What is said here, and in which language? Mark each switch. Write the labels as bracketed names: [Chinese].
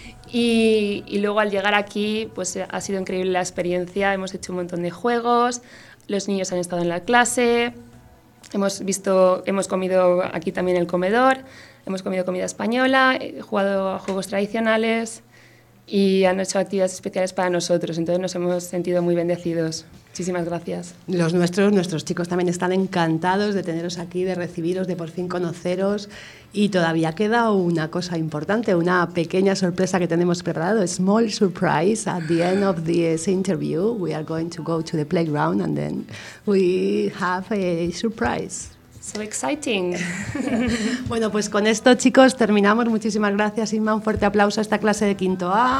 [Spanish] Y luego al llegar aquí pues ha sido increíble la experiencia, hemos hecho un montón de juegos, los niños han estado en la clase, hemos comido aquí también en el comedor, hemos comido comida española, he jugado a juegos tradicionales y han hecho actividades especiales para nosotros, entonces nos hemos sentido muy bendecidos. Muchísimas gracias. Nuestros chicos también están encantados de teneros aquí, de recibiros, de por fin conoceros. Y todavía queda una cosa importante, una pequeña sorpresa que tenemos preparado. [English] Small surprise at the end of this interview. We are going to go to the playground and then we have a surprise. So exciting. [Spanish] Bueno, pues con esto, chicos, terminamos. Muchísimas gracias, Inma. Un fuerte aplauso a esta clase de quinto A.